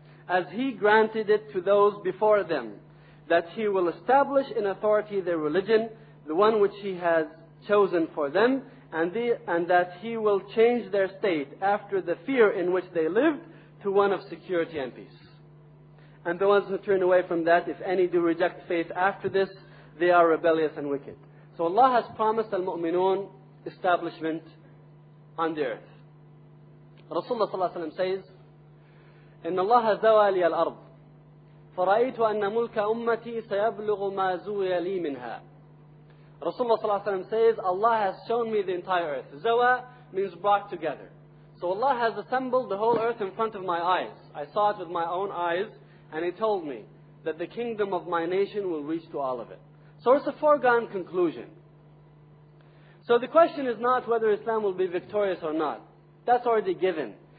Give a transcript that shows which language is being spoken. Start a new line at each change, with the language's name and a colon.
English: as He granted it to those before them, that He will establish in authority their religion, the one which He has chosen for them, and that He will change their state after the fear in which they lived to one of security and peace. And the ones who turn away from that, if any do reject faith after this, they are rebellious and wicked. So Allah has promised al-mu'minun establishment on the earth. Rasulullah sallallahu alayhi wa sallam says,
Arabic: إِنَّ اللَّهَ زَوَى لِيَ الْأَرْضِ فَرَأَيْتُ أَنَّ مُلْكَ أُمَّتِي سَيَبْلُغُ مَا زُوِيَ لِي مِنْهَا.
English: Rasulullah sallallahu alayhi wa sallam says, Allah has shown me the entire earth. Zawa means brought together. So Allah has assembled the whole earth in front of my eyes. I saw it with my own eyes, and He told me that the kingdom of my nation will reach to all of it. So it's a foregone conclusion. So the question is not whether Islam will be victorious or not. That's already given.